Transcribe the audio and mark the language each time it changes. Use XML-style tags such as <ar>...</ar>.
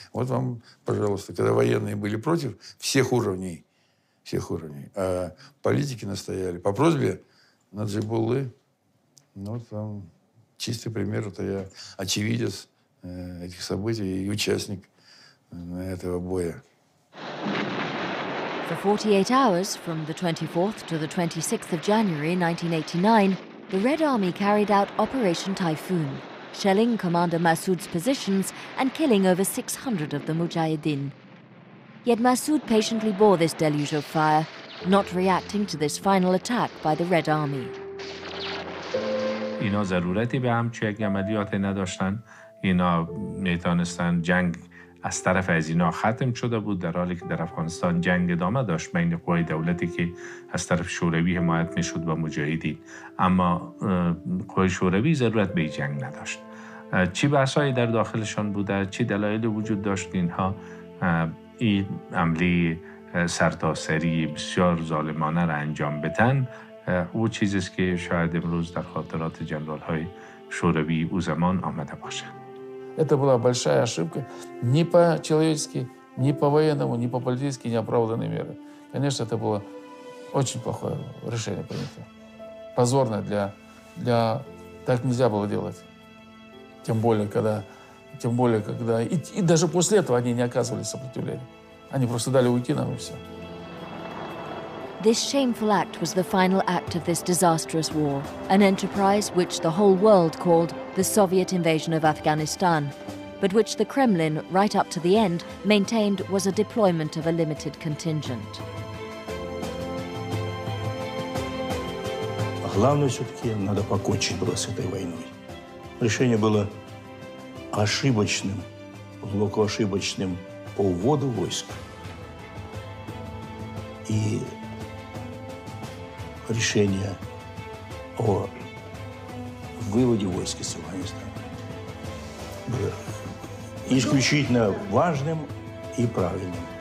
<ru>Вот вам, пожалуйста, когда военные были против всех уровней, а политики настояли по просьбе Наджибуллы, ну вот вам чистый пример, это я очевидец этих событий и участник этого боя.</ru> <en>For 48 hours, from the 24th to the 26th of January 1989, the Red Army carried out Operation Typhoon, shelling Commander Massoud's positions and killing over 600 of the Mujahideen. Yet Massoud patiently bore this deluge of fire, not reacting to this final attack by the Red Army.</en> <fa>اینا ضرورتی به همچی عملیات نداشتن. اینا میتانستن جنگ از طرف از اینا ختم شده بود در حالی که در افغانستان جنگ ادامه داشت بین قوای دولتی که از طرف شوروی حمایت میشد و مجاهدین اما قوای شوروی ضرورت به جنگ نداشت چی بحثایی در داخلشان بوده چی دلایلی وجود داشت اینها این عملی سرتاسری بسیار ظالمانه را انجام بتن او چیزیست که شاید امروز در خاطرات جنرال های شوروی او زمان آمده باشه</fa> <ru>Это была большая ошибка, ни по человечески, ни по военному, ни по политически неоправданные меры. Конечно, это было очень плохое решение принято. Позорное для Так нельзя было делать. Тем более, когда... И даже после этого они не оказывали сопротивления. Они просто дали уйти нам и все.</ru> <en>This shameful act was the final act of this disastrous war, an enterprise which the whole world called the Soviet invasion of Afghanistan, but which the Kremlin, right up to the end, maintained was a deployment of a limited contingent.</en> <ru>Главное все-таки надо покончить было с этой войной. Решение было ошибочным, глубоко ошибочным по уводу войск. И решение о выводе войск из Афганистана было исключительно важным и правильным.</ru>